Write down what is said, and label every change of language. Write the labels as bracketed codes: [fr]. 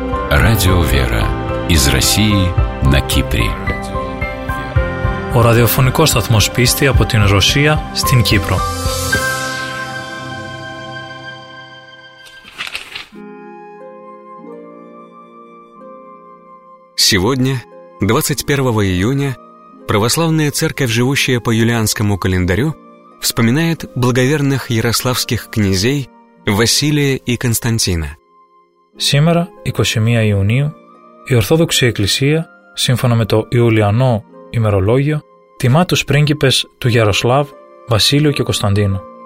[ru] Радио «Вера» из России на Кипре. [el] Ο ραδιοφωνικός σταθμός πίστη από την Ρωσία στην Κύπρο. [ru] Сегодня, 21 июня, православная церковь, живущая по юлианскому календарю, вспоминает благоверных ярославских князей Василия и Константина. Сегодня, 21 июня, [el] η Ορθόδοξη Εκκλησία, σύμφωνα με το Ιουλιανό ημερολόγιο, τιμά τους πρίγκιπες του Γιαροσλάβ, Βασίλειο και Κωνσταντίνο.